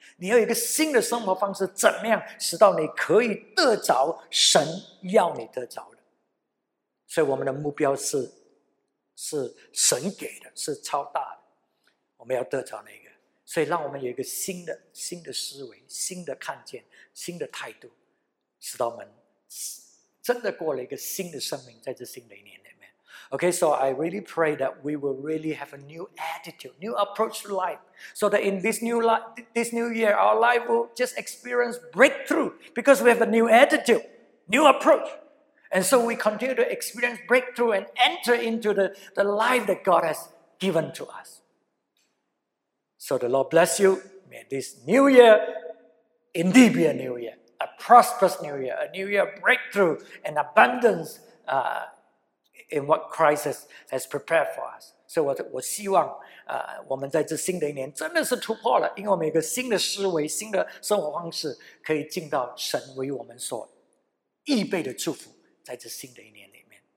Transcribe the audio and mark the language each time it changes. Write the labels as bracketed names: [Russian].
[Chinese] 你要有一个新的生活方式，怎么样使到你可以得着神要你得着的？所以我们的目标是神给的，是超大的。我们要得着那个，所以让我们有一个新的思维、新的看见、新的态度，使到我们。真的过了一个新的生命在这新的一年里面。 [English] OK, so I really pray that we will really have a new attitude, new approach to life, so that in this new life, this new year, our life will just experience breakthrough because we have a new attitude, new approach. And so we continue to experience breakthrough and enter into the life that God has given to us. So the Lord bless you. May this new year indeed be a new year, a prosperous new year, a new year of breakthrough and abundance in what Christ has prepared for us. [Chinese] So 我希望我们在这新的一年真的是突破了，因为我们有个新的思维，新的生活方式，可以进到神为我们所预备的祝福在这新的一年里面。